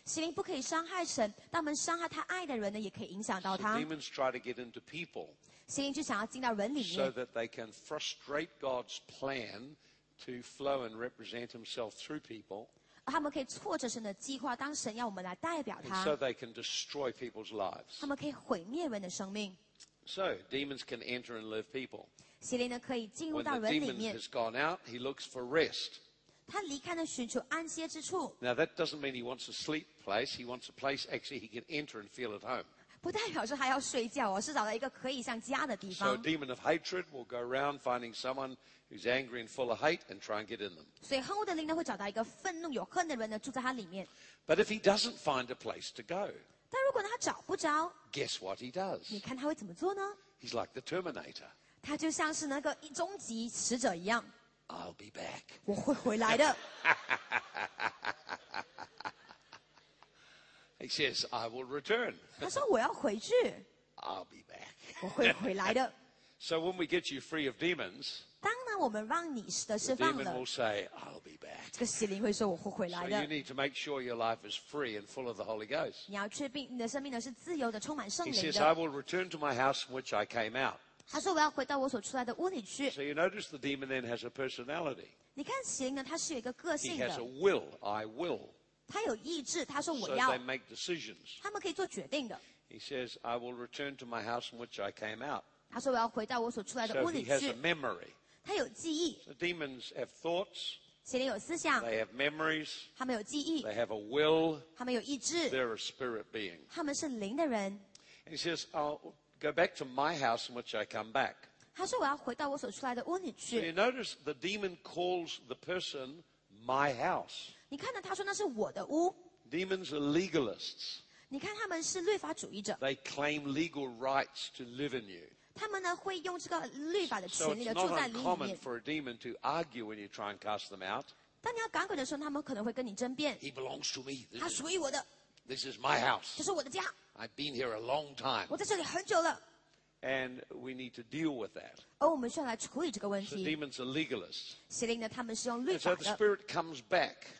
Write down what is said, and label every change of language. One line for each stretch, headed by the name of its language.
Chinese: 邪灵不可以伤害神，但我们伤害他爱的人呢，也可以影响到他。
English: So demons try to get into people.
Chinese: 邪灵就想要进到人里面
English: so that they can frustrate God's plan to flow and represent himself through people.
Chinese: 他们可以挫折神的计划，当神要我们来代表他。
English: So they can destroy people's lives.
Chinese: 他们可以毁灭人的生命。
English: So demons can enter and live people.
Chinese: 邪灵呢可以进入到人里面。
English: When the demon has gone out, he looks for rest.
Chinese: 他离开呢寻求安歇之处。
English: Now that doesn't mean he wants a sleep place. He wants a place actually he can enter and feel at home.
Chinese: 不代表说他要睡觉哦，是找到一个可以像家的地方。
English: So a demon of hatred will go around finding someone who's angry and full of hate and try and get in them.
Chinese: 所以恨恶的灵呢会找到一个愤怒有恨的人呢住在他里面。
English: But if he doesn't find a place to go,
Chinese: 但如果他找不着
English: Guess what he does?
Chinese: 你看他会怎么做呢
English: He's like the Terminator.
Chinese: 他就像是那个终极使者一样
English: I'll be back.
Chinese: 我会回来的
English: He says, I will return.
Chinese: 他说我要回去
English: I'll be back.
Chinese: 我会回来的
English: So when we get you free of demons,
Chinese: 我们让你的释放了
English: demon will say, I'll be back.
Chinese: 这个邪灵会说我会回来的
English: So you need to make sure your life is free and full of the Holy Ghost.
Chinese: 你要确定你的生命呢是自由的充满圣灵的
English: He says, I will return to my house in which I came out.
Chinese: 他说我要回到我所出来的屋里去
English: So you notice the demon then has a personality.
Chinese: 你看邪灵呢他是有一个个性的
English: He has a will, I will.
Chinese: 他有意志他说我要
English: So they make decisions.
Chinese: 他们可以做决定的
English: He says, I will return to my house in which I came out.
Chinese: 他说我要回到我所出来的屋里去
English: So he has a memory.
Chinese: 他有记忆。
English: The demons have thoughts.
Chinese: 邪灵有思想。
English: They have memories.
Chinese: 他们有记忆。
English: They have a will.
Chinese: 他们有意志。
English: They're a spirit being.
Chinese: 他们是灵的人。
English: And he says, I'll go back to my house in which I come back.
Chinese: 他说我要回到我所出来的屋里去。
English: So you notice the demon calls the person my house.
Chinese: 你看呢？他说那是我的屋。
English: Demons are legalists.
Chinese: 你看他们是律法主义者。
English: They claim legal rights to live in you.
Chinese: 他们呢会用这个律法的权利的住在里面。
English: So it's not uncommon for a demon to argue when you try and cast them out.
Chinese: 当你要赶鬼的时候，他们可能会跟你争辩。
English: He belongs to me.
Chinese: 他属于我的。
English: This is my house.
Chinese: 这是我的家。
English: I've been here a long time.
Chinese: 我在这里很久了。
English: And we need to deal with that.
Chinese: 而我们需要来处理这个问题。
English: So demons are legalists.
Chinese: 邪灵呢，他们是用律法的。
English: And so the spirit comes back.